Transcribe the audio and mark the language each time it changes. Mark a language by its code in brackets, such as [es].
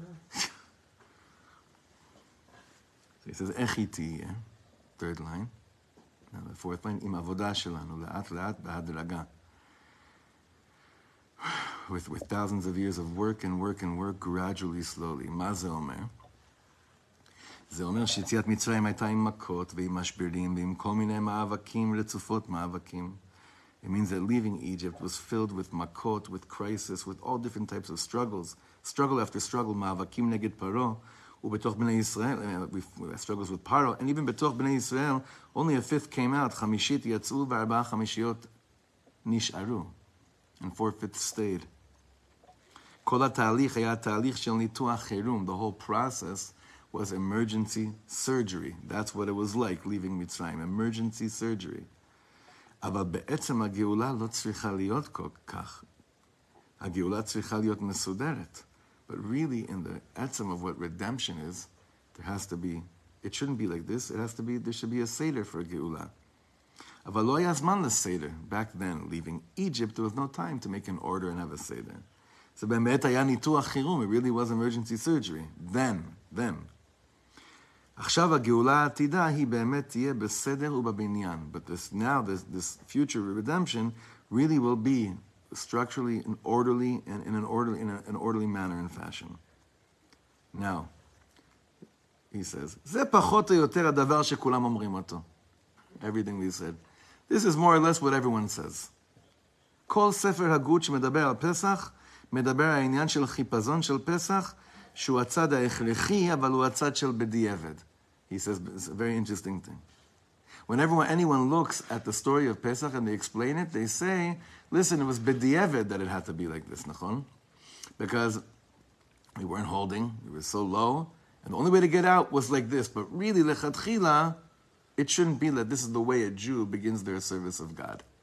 [en] So he says, echiti, yeah? Third line. [he] Now the fourth line, im avodah shelanu le'at le'at b'hadraga. [en] With thousands of years of work and work and work, gradually, slowly. [he] Ma ze omer? זה אומר שיציאת מצרים הייתה עם מכות ועם משברים ועם כל מיני מאבקים, רצופות מאבקים. [en] It means that leaving Egypt was filled with מכות, with crisis, with all different types of struggles. Struggle after struggle, [he] מאבקים נגד פרו, ובתוך בני ישראל, [en] struggles with פרו, and even [he] בתוך בני ישראל, [en] only a fifth came out, [he] חמישית יצאו וארבעה חמישיות נשארו. [en] And four-fifths stayed. [he] כל התהליך היה תהליך של ניתוח חירום, [en] the whole process was emergency surgery. That's what it was like leaving Mitzrayim. Emergency surgery. [he] אבל בעצם הגאולה לא צריכה להיות כך. הגאולה צריכה להיות מסודרת. [en] But really, in the etzem of what redemption is, there has to be, it shouldn't be like this. It has to be, there should be a seder for a geula. [he] אבל לא היה זמן לסדר. [en] Back then, leaving Egypt, there was no time to make an order and have a seder. So [he] באמת היה ניתוח חירום. [en] It really was emergency surgery. Then. [he] עכשיו הגאולה העתידה היא באמת תהיה בסדר ובבניין. [en] But this future redemption really will be structurally and orderly and in an orderly manner and fashion. Now, he says, [he] זה פחות או יותר הדבר שכולם אומרים אותו. [en] Everything we said. This is more or less what everyone says. [he] כל ספר הגות שמדבר על פסח, מדבר על העניין של חיפזון של פסח, שהוא הצד ההכרחי, אבל הוא הצד של בדיעבד. [en] He says, it's a very interesting thing. Whenever anyone looks at the story of Pesach and they explain it, they say, listen, it was bedieved that it had to be like this, nachon? Because we weren't holding, we were so low, and the only way to get out was like this. But really, lechatchila, it shouldn't be that this is the way a Jew begins their service of God.